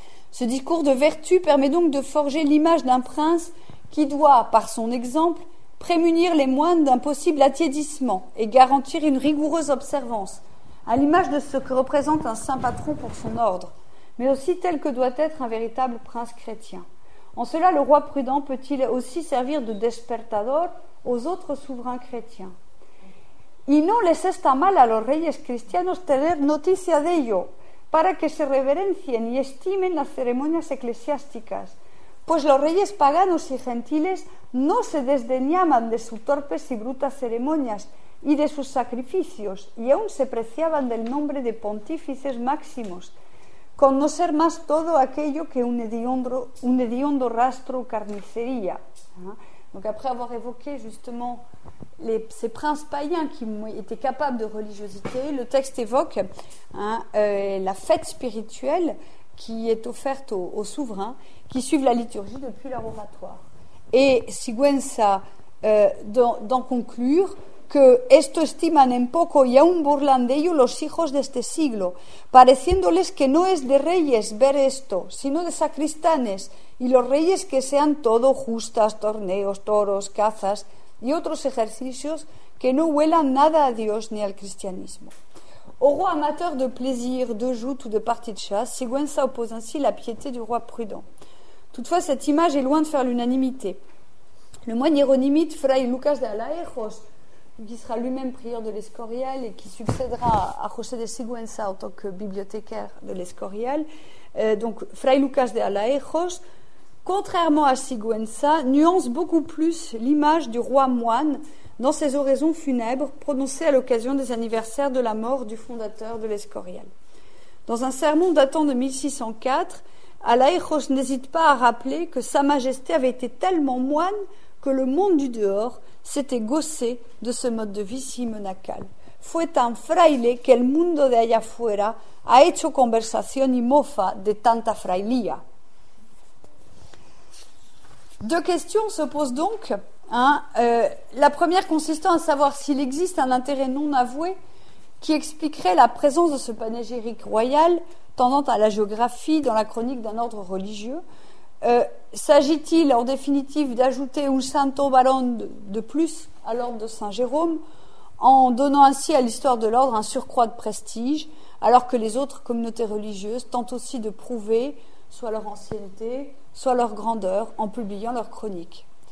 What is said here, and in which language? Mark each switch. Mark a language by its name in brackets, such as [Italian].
[French] Ce discours de vertu permet donc de forger l'image d'un prince qui doit, par son exemple, prémunir les moines d'un possible attiédissement et garantir une rigoureuse observance, à l'image de ce que représente un saint patron pour son ordre, mais aussi tel que doit être un véritable prince chrétien. En cela, le roi prudent peut-il aussi servir de despertador aux autres souverains chrétiens? [Spanish] Y no les está mal a los reyes cristianos tener noticia de ello, para que se reverencien y estimen las ceremonias eclesiásticas, pues los reyes paganos y gentiles no se desdeñaban de sus torpes y brutas ceremonias y de sus sacrificios, y aún se preciaban del nombre de pontífices máximos, con no ser más todo aquello que un hediondo rastro carnicería. [French] Donc après avoir évoqué justement ces princes païens qui étaient capables de religiosité, le texte évoque la fête spirituelle qui est offerte aux souverains qui suivent la liturgie depuis leur oratoire. Et Sigüenza d'en conclure que [Spanish] « Esto estiman en poco y aún burlan de ello los hijos de este siglo, pareciéndoles que no es de reyes ver esto, sino de sacristanes, y los reyes que sean todo justas, torneos, toros, cazas y otros ejercicios que no huelan nada a Dios ni al cristianismo. » [French] Au roi amateur de plaisir, de joutes ou de parties de chasse, Sigüenza oppose ainsi la piété du roi prudent. Toutefois, cette image est loin de faire l'unanimité. Le moine hiéronymite Fray Lucas de Alaejos, qui sera lui-même prieur de l'Escorial et qui succédera à José de Sigüenza en tant que bibliothécaire de l'Escorial, donc Fray Lucas de Alaejos, contrairement à Sigüenza, nuance beaucoup plus l'image du roi moine dans ses oraisons funèbres prononcées à l'occasion des anniversaires de la mort du fondateur de l'Escorial. Dans un sermon datant de 1604, Alaejos n'hésite pas à rappeler que Sa Majesté avait été tellement moine que le monde du dehors s'était gossé de ce mode de vie si monacal. [Spanish] « Fue tan fraile que el mundo de allá afuera ha hecho conversación y mofa de tanta frailía. » [French] Deux questions se posent donc. La première consistant à savoir s'il existe un intérêt non avoué qui expliquerait la présence de ce panégyrique royal tendant à la géographie dans la chronique d'un ordre religieux. S'agit-il en définitive d'ajouter un santo varón de plus à l'ordre de Saint Jérôme, en donnant ainsi à l'histoire de l'ordre un surcroît de prestige, alors que les autres communautés religieuses tentent aussi de prouver soit leur ancienneté, soit leur grandeur en publiant leurs chroniques?